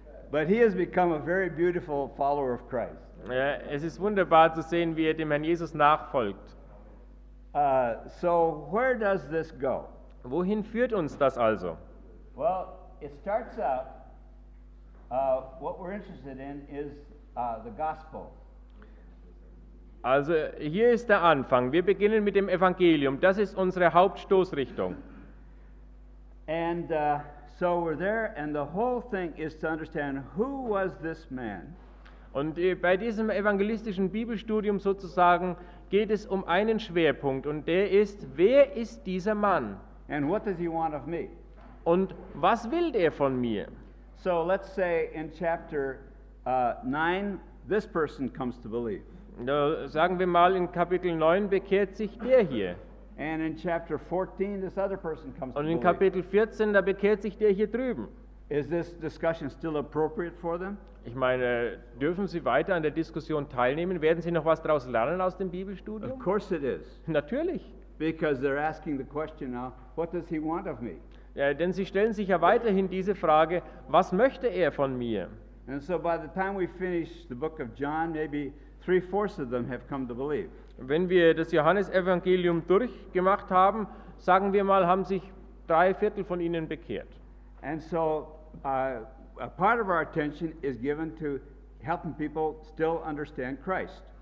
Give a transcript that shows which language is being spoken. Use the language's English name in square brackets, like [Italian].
[English] But he has become a very beautiful follower of Christ. [German] Es ist wunderbar zu sehen, wie er dem Herrn Jesus nachfolgt. [English] So where does this go? [German] Wohin führt uns das also? [English] Well, it starts out, what we're interested in is the gospel. [German] Also hier ist der Anfang. Wir beginnen mit dem Evangelium. Das ist unsere Hauptstoßrichtung. [English] And so we're there, and the whole thing is to understand who was this man. [German] Und bei diesem evangelistischen Bibelstudium sozusagen geht es um einen Schwerpunkt, und der ist: Wer ist dieser Mann? [English] And what does he want of me? [German] Und was will er von mir? [English] So let's say in chapter 9, this person comes to believe. [German] Sagen wir mal, in Kapitel 9 bekehrt sich der hier. [English] And in chapter 14, this other person comes [German] und in Kapitel 14, da bekehrt sich der hier drüben. [English] Is this discussion still appropriate for them? [German] Ich meine, dürfen Sie weiter an der Diskussion teilnehmen? Werden Sie noch was daraus lernen aus dem Bibelstudium? [English] Of course it is. [German] Natürlich. [English] Because they're asking the question now, what does he want of me? [German] Ja, denn sie stellen sich ja weiterhin diese Frage, was möchte er von mir? [English] And so by the time we finish the book of John, maybe 3/4 of them have come to believe. [German] Wenn wir das Johannesevangelium durchgemacht haben, sagen wir mal, haben sich 3/4 von ihnen bekehrt. [English] And so a part of our attention is given to helping people still understand Christ.